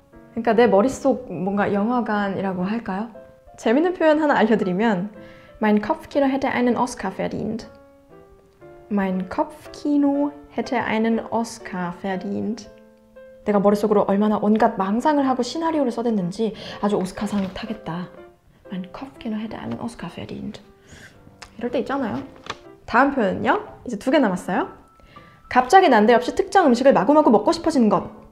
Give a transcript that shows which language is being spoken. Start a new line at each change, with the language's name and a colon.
Korean: 그러니까 내 머릿속 뭔가 영화관이라고 할까요? 재밌는 표현 하나 알려드리면
German: Mein Kopfkino hätte einen Oscar verdient. Mein Kopfkino hätte einen Oscar verdient.
Korean: 내가 머릿속으로 얼마나 온갖 망상을 하고 시나리오를 써댔는지 아주 오스카상 타겠다.
German: Mein Kopfkino hätte einen Oscar verdient.
Korean: 이럴 때 있잖아요. 다음 표현은요? 이제 두 개 남았어요. 갑자기 난데없이 특정 음식을 마구마구 먹고 싶어지는 것.